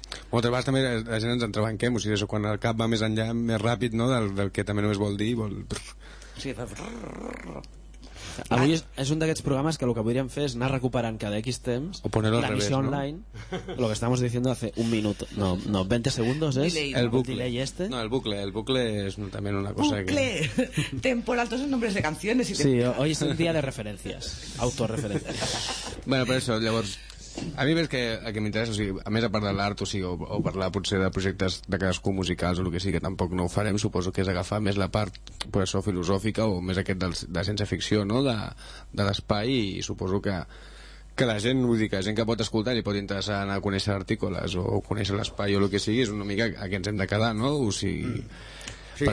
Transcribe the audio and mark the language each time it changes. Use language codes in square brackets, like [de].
[ca] Otra vegada també la gent ens entrebanquem, o sigui, [es] eso, [ca] quan el cap va més enllà, més ràpid, no?, del que també només vol dir, vol... Sí, avui és un d'aquests programes que el que podríem fer és anar recuperant cada X temps [es] o ponerlo al revés, no? Online, lo que estábamos diciendo hace un minuto, no 20 segundos, es el bucle. Delay este. No, el bucle es también una cosa bucle. Que... ¡Bucle! Temporal, todos son nombres de canciones. Sí, hoy es un día de referencias, autorreferencias. [ca] Bueno, por eso, llavors, a mi ves que el que m'interessa, o sigui, a més a part de l'art, o sigui, o parlar potser de projectes de cadascú musicals o el que sigui, que tampoc no ho farem, suposo que és agafar més la part, per això, filosòfica o més aquest de ciència-ficció, no?, de l'espai, i suposo que la gent, vull dir, que la gent que pot escoltar li pot interessar anar a conèixer articles o conèixer l'espai o el que sigui, és una mica a què ens hem de quedar, no?, o sigui, sí.